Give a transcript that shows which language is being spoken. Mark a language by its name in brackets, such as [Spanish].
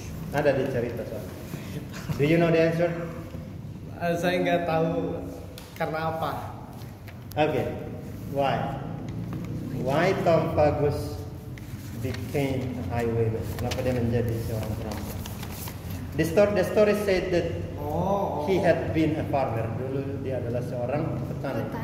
[Indonesian] Ada di cerita soal. [English] Do you know the answer? [Indonesian] Saya nggak tahu karena apa. [English] Okay, why? Why Tom Fagus became a highwayman? [Indonesian] Kenapa dia menjadi seorang perampok? [English] The story said that he had been a farmer. [Indonesian] Dulu dia adalah seorang petani.